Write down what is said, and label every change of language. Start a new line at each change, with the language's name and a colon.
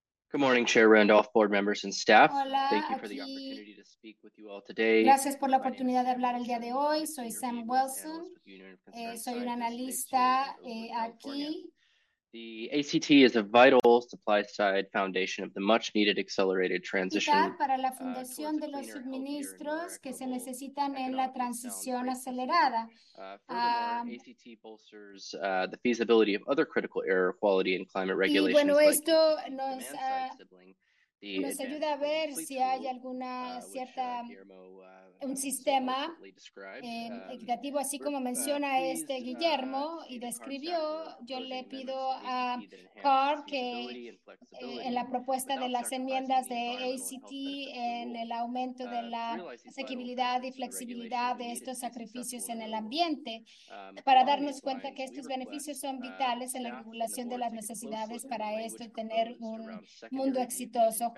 English: Good morning, Chair Randolph, board members and staff. Hola, thank you for the opportunity to speak with you all today.
Spanish: Gracias por la oportunidad de hablar el día de hoy. Soy Sam Wilson. Soy un analista aquí.
English: The ACT is a vital supply-side foundation of the much-needed accelerated transition.
Spanish: Para la fundación de los suministros que se necesitan en la transición acelerada.
English: Furthermore, ACT bolsters the feasibility of other critical air quality and climate regulations.
Spanish: Y bueno, esto nos ayuda a ver si hay alguna cierta un sistema equitativo, así como menciona este Guillermo y describió. Yo le pido a Carr que en la propuesta de las enmiendas de ACT en el aumento de la asequibilidad y flexibilidad de estos sacrificios en el ambiente para darnos cuenta que estos beneficios son vitales en la regulación de las necesidades para esto tener un mundo exitoso.